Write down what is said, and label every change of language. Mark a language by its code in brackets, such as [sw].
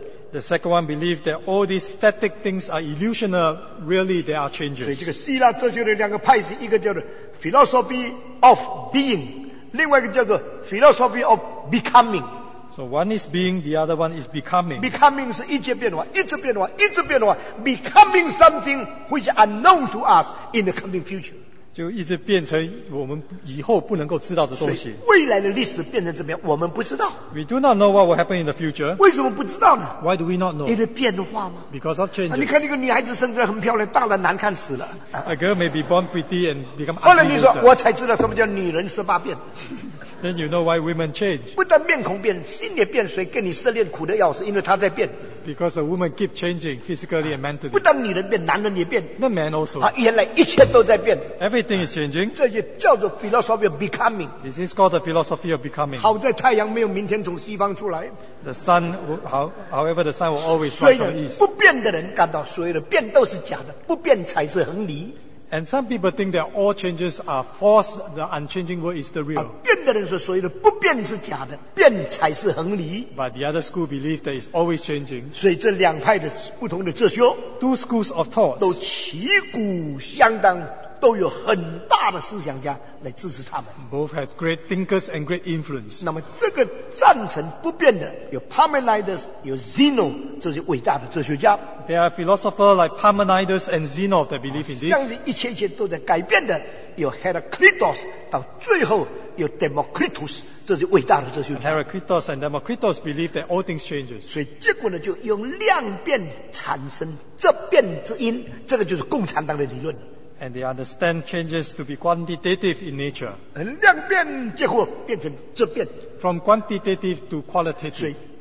[en] The second one believed that all these static things are illusional, really there are changes. [zh] 所以这个希腊哲学的两个派系, 一个叫做 [en] philosophy of being, [zh] 另外一个叫做 [en] philosophy of becoming。 So one is being, the other one is becoming. Becoming [zh] 是一直变化, 一直变化, 一直变化, [en] becoming something which is unknown to us in the coming future. [zh] 就一直变成我们以后不能够知道的东西。未来的历史变成怎么样, 我们不知道。 [en] We do not know what will happen in the future. [zh] 为什么不知道呢? [en] Why do we not know? [zh] 因为变化吗? [en] Because of changes. [zh] 你看那个女孩子生得很漂亮, 大了难看死了。 [en] A girl may be born pretty and become ugly. [zh] 后来你说, 我才知道什么叫女人十八变。 [en] Then you know why women change. [zh] 不但面孔变, 心也变水, 跟你失恋苦的要死, 因为他在变。 [en] Because a woman keep changing physically and mentally. [zh] 不但女人变, 男人也变。 [en] The man also. [zh] 啊, 原来一切都在变。 [en] Everything is changing. [zh] 这也叫做 [en] philosophy of becoming. This is called the philosophy of becoming. [zh] 好在太阳没有明天从西方出来。 [en] The sun, however, the sun will always rise from the east. [zh] 不变的人感到所有的变都是假的, 不变才是恒理。 [en] And some people think that all changes are false, the unchanging world is the real. [zh] 变的人说所谓的不变是假的, 变才是恒理。 [en] But the other school believe that it's always changing. [zh] 所以这两派的不同的哲学, [en] two schools of thought, [zh] 都旗鼓相当, 都有很大的思想家来支持他们。 [en] Both have great thinkers and great influence. [zh] 那么这个赞成不变的, 有 Parmenides, 有 Zeno, 这些伟大的哲学家。 [en] There are philosophers like Parmenides and Zeno that believe in this. [zh] 像是一切一切都在改变的, 有 Heraclitus, 到最后, 有 Democritus, 这些伟大的哲学家。 [en] Heraclitus and Democritus believe that all things changes. [zh] 所以结果呢, 就用量变产生这变之因, 这个就是共产党的理论。 [en] And they understand changes to be quantitative in nature. [zh] 量变结果变成质变。 [en] From quantitative to qualitative.